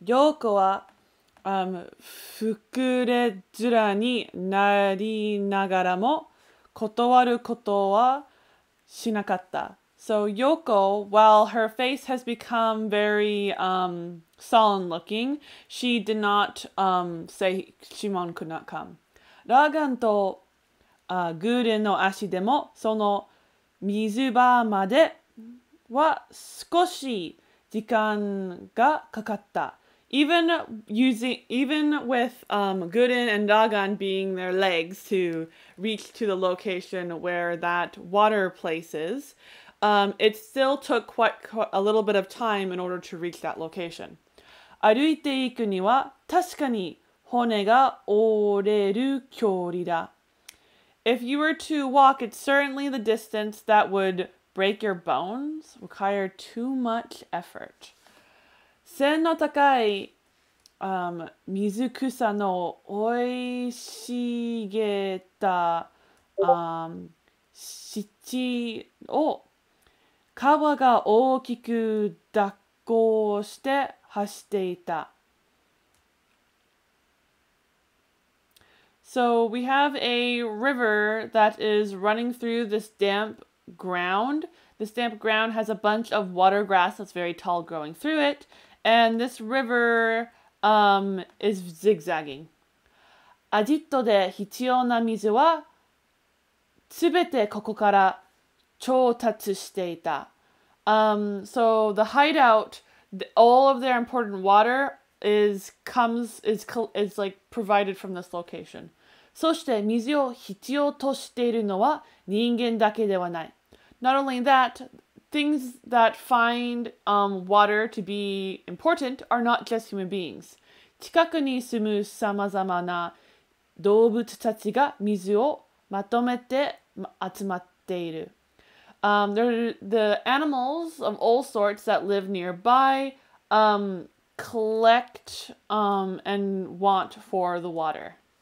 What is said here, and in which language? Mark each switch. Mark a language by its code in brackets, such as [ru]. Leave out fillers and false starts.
[ja] 良子は、ふくれづらになりながらも、断ることはしなかった。 [en] So Yoko, while her face has become very sullen looking, she did not say Shimon could not come. [ja] Lagann と Gurren の足でもその水場までは少し時間がかかった。 [en] Even with Gurren and Lagann being their legs to reach to the location where that water place is, it still took quite a little bit of time in order to reach that location. [ja] 歩いていくには確かに骨が折れる距離だ。 [en] If you were to walk, it's certainly the distance that would break your bones, require too much effort. [ja] 背の高い、水草の生い茂った湿地を川が大きく蛇行して走っていた。 [en] So we have a river that is running through this damp ground. This damp ground has a bunch of water grass that's very tall growing through it. And this river is zigzagging. [ja] アジットで必要な水はすべてここから調達していた。 [en] So the hideout, all of their important water is provided from this location. [ja] そして水を必要としているのは人間だけではない。 [en] Not only that,Things that find water to be important are not just human beings. [ja] 近くに住む様々な動物たちが水をまとめて集まっている。 [en] The animals of all sorts that live nearby collect and want for the water.